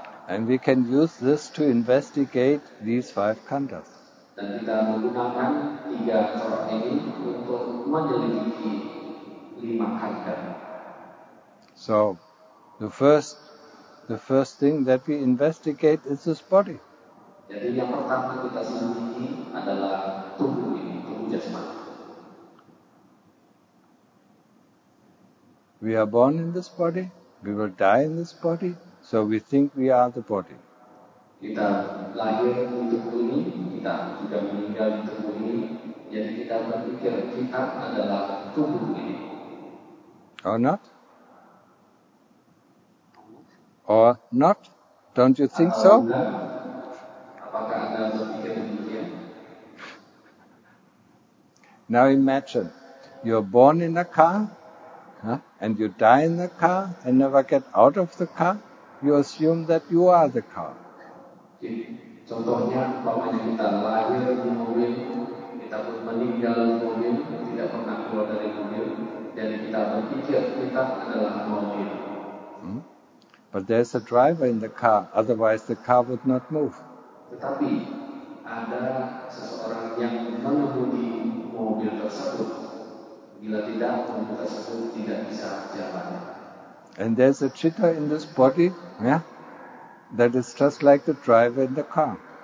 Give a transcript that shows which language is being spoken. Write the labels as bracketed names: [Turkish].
[English] And we can use this to investigate these five khandas. [Indonesian] Dan kita menggunakan tiga corak ini untuk menyelidiki lima khanda. [English] So, the first thing that we investigate is this body. [Indonesian] Jadi yang pertama kita selidiki adalah tubuh ini, tubuh jasmani. [English] We are born in this body, we will die in this body. So we think we are the body. [Indonesian] Kita lahir di tubuh ini, kita juga meninggal di tubuh ini. Jadi kita berpikir kita adalah tubuh ini. [English] Or not? Or not? Don't you think so? [Indonesian] Apakah Anda berpikir demikian? [English] Now imagine, you're born in a car, and you die in the car and never get out of the car. You assume that you are the car. [Indonesian] Contohnya, umpamanya kita lahir di mobil, kita pun meninggal di mobil, tidak pernah keluar dari mobil, dan kita berpikir kita adalah mobil. [English] But there's a driver in the car, otherwise the car would not move. [Indonesian] Tetapi ada seseorang yang mengemudi mobil tersebut. Bila tidak, mobil tersebut tidak bisa jalan. [English] And there's a citta in this body, yeah, that is just like the driver in the car.